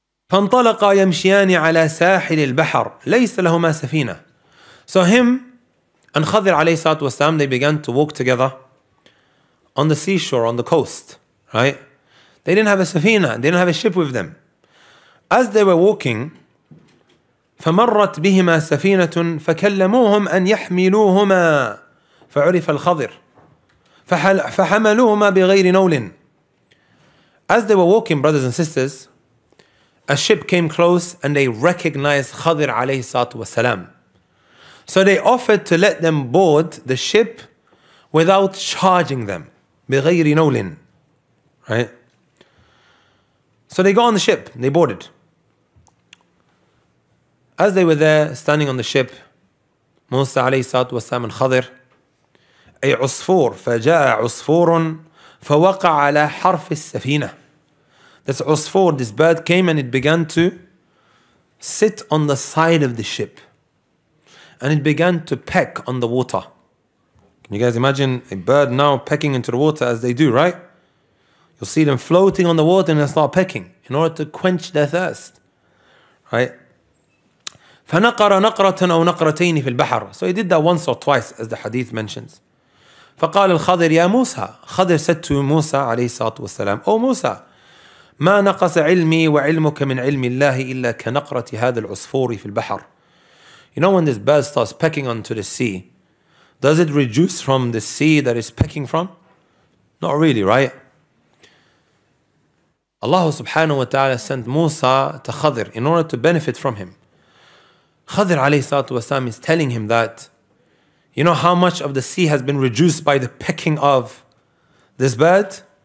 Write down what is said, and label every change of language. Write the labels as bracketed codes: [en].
[ar] فَانْطَلَقَ يَمْشِيَانِ عَلَىٰ سَاحِلِ الْبَحَرِ لَيْسَ لَهُمَا سَفِينَةِ. [en] So him and Khidr alayhi salatu wasalam, they began to walk together on the seashore, on the coast, right? They didn't have a safina, they didn't have a ship with them. As they were walking, [ar] فَمَرَّتْ بِهِمَا سَفِينَةٌ فَكَلَّمُوهُمْ أَنْ يَحْمِلُوهُمَا فَعُرِفَ الْخَضِرِ. فَحَمَلُوهُمَا بِغَيْرِ نَوْلٍ. [en] As they were walking, brothers and sisters, a ship came close and they recognized Khidr alayhi salatu wasalam. So they offered to let them board the ship without charging them. [ar] بِغَيْرِ نَوْلٍ. [en] Right? So they got on the ship, they boarded. As they were there, standing on the ship, Musa alayhi salatu wasalam and Khidr, [ar] أي عصفور فجاء عصفور فوقع على حرف السفينة. [en] This عصفور, this bird came and it began to sit on the side of the ship and it began to peck on the water. Can you guys imagine a bird now pecking into the water as they do, right? You'll see them floating on the water and they start pecking in order to quench their thirst, right? [ar] فنقر نقرة أو نقرتين في البحر. [en] So he did that once or twice as the hadith mentions. [ar] فقال الخضر يا موسى. [en] Khidr said to [ar] موسى عليه الصلاة والسلام, O Musa, ما نقص علمي وعلمك من علم الله إلا كنقرة هذا العصفور في البحر. [en] You know when this bird starts pecking onto the sea, does it reduce from the sea that it's pecking from? Not really, right? Allah subhanahu wa ta'ala sent Musa to Khidr in order to benefit from him. Khidr عليه الصلاة والسلام is telling him that, you know how much of the sea has been reduced by the pecking of this bird?